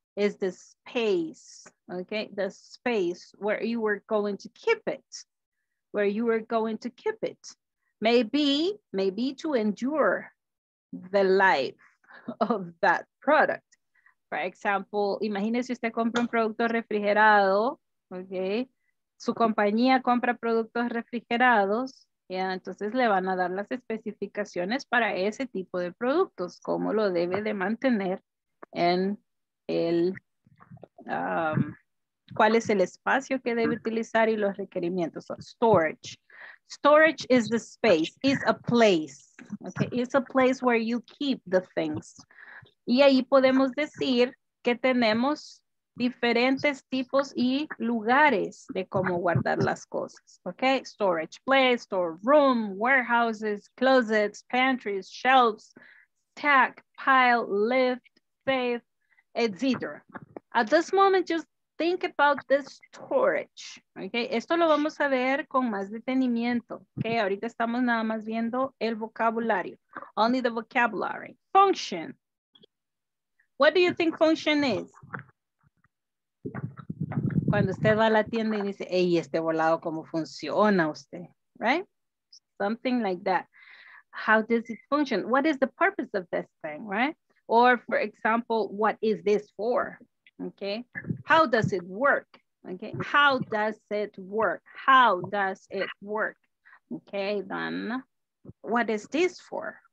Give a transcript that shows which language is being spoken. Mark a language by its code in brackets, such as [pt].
[en] Is the space, okay? The space where you were going to keep it, where you were going to keep it. Maybe to endure the life of that product. [es] For example, imagínese usted compra un producto refrigerado, okay? Su compañía compra productos refrigerados, y entonces le van a dar las especificaciones para ese tipo de productos, cómo lo debe de mantener en el, cuál es el espacio que debe utilizar y los requerimientos. [en] So, storage. Storage is the space, it's a place, okay? It's a place where you keep the things. [es] Y ahí podemos decir que tenemos diferentes tipos y lugares de cómo guardar las cosas, okay? [en] Storage place, store room, warehouses, closets, pantries, shelves, stack, pile, lift, safe, etc. At this moment, just think about this storage. [es] Okay, esto lo vamos a ver con más detenimiento. Okay, ahorita estamos nada más viendo el vocabulario. [en] Only the vocabulary. Function. What do you think function is? [es] Cuando usted va a la tienda y dice, hey, este volado, ¿cómo funciona usted? [en] Right? Something like that. How does it function? What is the purpose of this thing, right? Or for example, what is this for? Okay. How does it work? Okay. How does it work? How does it work? Okay. Then what is this for?